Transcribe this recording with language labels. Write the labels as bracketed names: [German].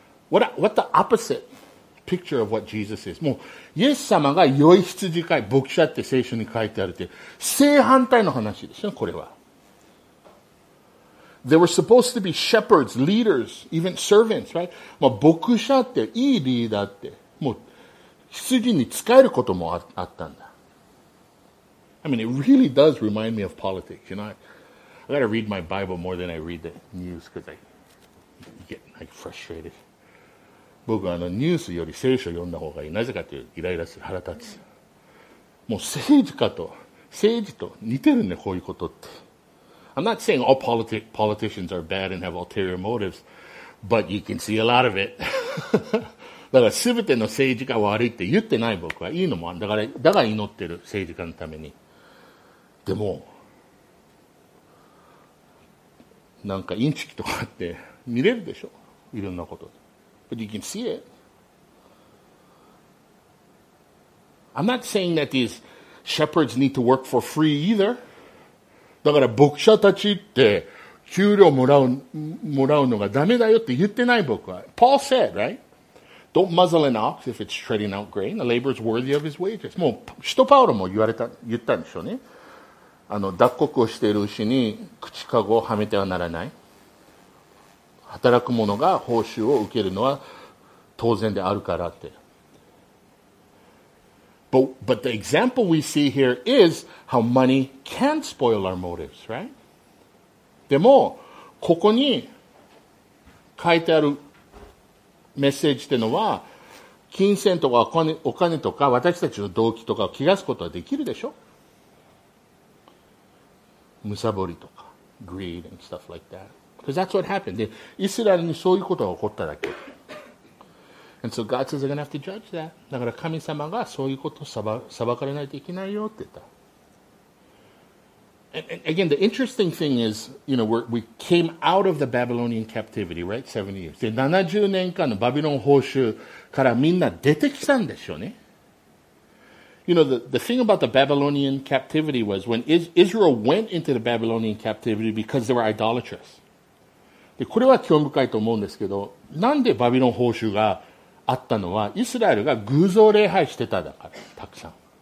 [English] What the opposite picture of what Jesus is. [Japanese] もう、イエス様が良い羊かい、牧者って聖書に書いてあるって、正反対の話でしょ、これは。 [English] They were supposed to be shepherds, leaders, even servants, right? [Japanese] もう牧者って、いいリーダーって、もう、羊に使えることもあったんだ。 [English] I mean, it really does remind me of politics. You know, I gotta read my Bible more than I read the news because I get frustrated. [Japanese] 僕はあのニュースより聖書を読んだ方がいい。なぜかというとイライラする、腹立つ。もう政治と似てるね、こういうことって。 [English] I'm not saying all politicians are bad and have ulterior motives, but you can see a lot of it. [Japanese] だから全ての政治家は悪いって言ってない僕は。いいのもある。だから祈ってる政治家のために。でも、なんかインチキとかって見れるでしょ。いろんなこと。 [English] But you can see it. I'm not saying that these shepherds need to work for free either. [Japanese] だから牧者たちって給料もらうのがダメだよって言ってない僕は。 [English] Paul said, right? Don't muzzle an ox if it's treading out grain. The laborer is worthy of his wages. [Japanese] もう、使徒パウロも言ったんでしょうね。あの、脱穀をしている牛に口かごをはめてはならない。働く者が報酬を受けるのは当然であるからって。 [English] But the example we see here is how money can spoil our motives, right? [Japanese] でも、ここに書いてあるメッセージってのは、金銭とかお金とか私たちの動機とかを汚すことはできるでしょ。むさぼりとか、 [English] greed and stuff like that. Because that's what happened. [Japanese] で、イスラエルにそういうことが起こっただけ。 [English] And so God says they're going to have to judge that. [Japanese] だから神様がそういうことを裁かれないといけないよって言った。 [English] And again, the interesting thing is, you know, we came out of the Babylonian captivity, right? 70 years. [Japanese] で、70年間のバビロン報酬からみんな出てきたんでしょうね。 [English] You know, the thing about the Babylonian captivity was when Israel went into the Babylonian captivity because they were idolatrous. [Japanese] で、これは興味深いと思うんですけど、なんでバビロン報酬があったのは、イスラエルが偶像礼拝してただから、たくさん。